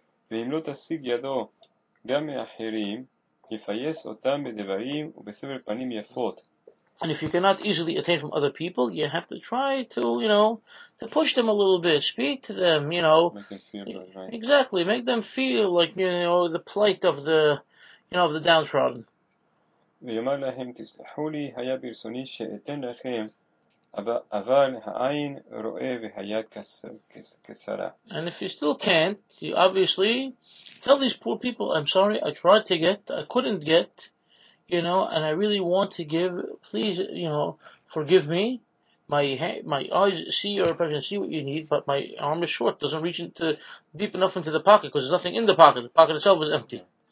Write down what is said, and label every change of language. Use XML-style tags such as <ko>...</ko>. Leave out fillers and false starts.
<en>And if you cannot easily attain from other people, you have to try to, you know, to push them a little bit, speak to them, you know. Make them feel that, right? Exactly, make them feel like, you know, the plight of the, you know, of the downtrodden.</en> <he>ויאמר להם, תסלחו לי, היה ברצוני שאתן לכם, אבל העין רואה והיד קצרה.</he> <en>And if you still can't, you obviously tell these poor people, I'm sorry, I tried to get, I couldn't get, you know, and I really want to give, please, you know, forgive me. My eyes see your oppression, see what you need, but my arm is short, doesn't reach into deep enough into the pocket, because there's nothing in the pocket. The pocket itself is empty.</en>